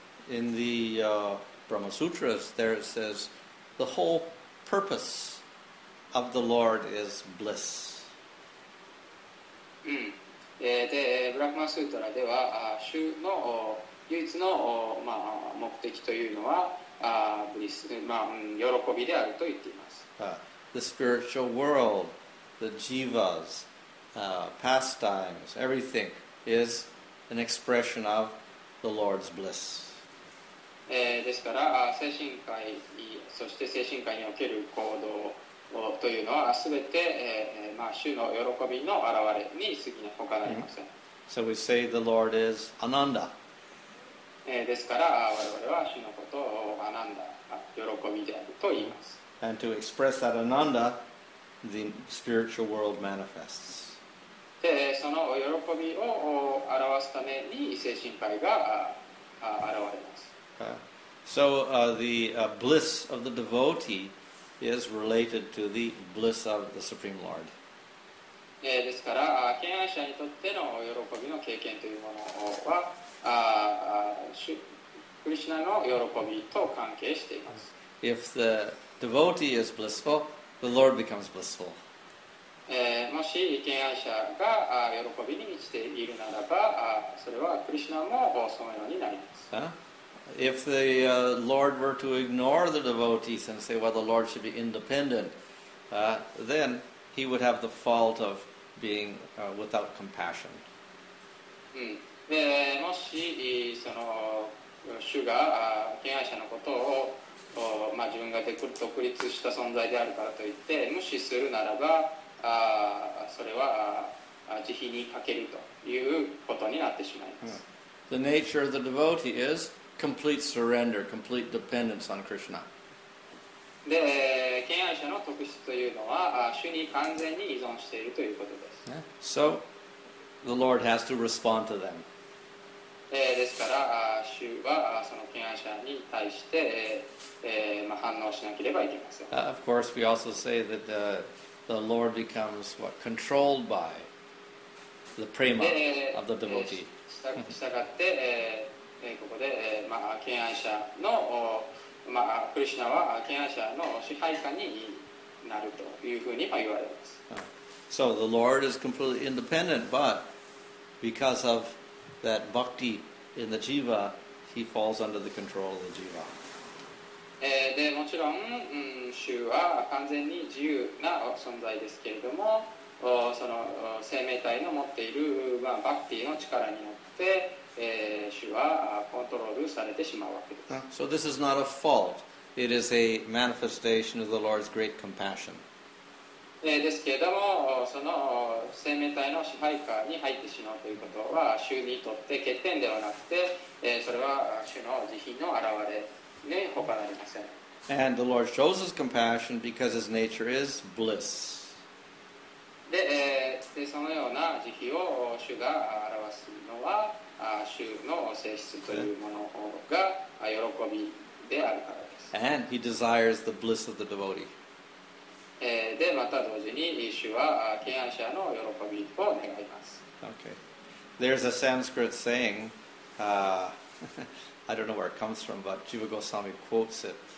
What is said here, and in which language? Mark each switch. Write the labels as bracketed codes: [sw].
[en] In the Brahma Sutras, there it says, the whole purpose. Of the Lord is bliss. [ja] で、ブラフマスートラでは、主の唯一の目的というのは、ブリス、喜びであると言っています。 [en] The spiritual world, the jivas, pastimes, everything is an expression of the Lord's bliss. [ja] ですから、精神界、そして精神界における行動というのはすべて、主の喜びの表れに過ぎない、他なりません。 [en] So we say the Lord is Ananda. [ja] ですから我々は主のことをアナンダ、喜びであると言います。 [en] And to express that Ananda, the spiritual world manifests. [ja] で、その喜びを表すために精神界が現れます。 [en] So the bliss of the devotee. Is related to the bliss of the Supreme Lord. [ja] ですから、敬愛者にとっての喜びの経験というものは、クリシュナの喜びと関係しています。 [en] If the devotee is blissful, the Lord becomes blissful. [ja] もし敬愛者が喜びに満ちているならば、それはクリシュナもそのようになります。 [en] If the Lord were to ignore the devotees and say, well, the Lord should be independent, then he would have the fault of being without compassion. [ja] もし、その、主が、敬愛者のことを、自分が独立した存在であるからといって、無視するならば、それは、慈悲に欠けるということになってしまいます。 [en] The nature of the devotee is,Complete surrender, complete dependence on Krishna. [ja] で、敬愛者の特質というのは、主に完全に依存しているということです。 [en] Yeah. So, the Lord has to respond to them. [ja] ですから、主はその敬愛者に対して、反応しなければいけません。 [en] Of course, we also say that the Lord becomes what, controlled by the prema of the devotee. [ja] したがって、ここで、敬愛者の、クリシナは敬愛者の支配下になるというふうに言われます。 [en] So the Lord is completely independent, but because of that bhakti in the jiva, he falls under the control of the jiva. [ja] でもちろん、主は完全に自由な存在ですけれども、その生命体の持っている、bhakti の力によって、主はコントロールされてしまうわけです。 [en] So this is not a fault. It is a manifestation of the Lord's great compassion. [ja] ですけれども、その生命体の支配下に入ってしまうということは、主にとって欠点ではなくて、それは主の慈悲の表れに他なりません。 [en] And the Lord shows his compassion because his nature is bliss. [ja] で、そのような慈悲を主が表すのは、主の性質というものが喜びであるからです。 [en] And he desires the bliss of the devotee. [ja] で、また同時に主は敬愛者の喜びを願います。 [en] Okay. there's a Sanskrit saying, I don't know where it comes from, but Jiva Goswami quotes it.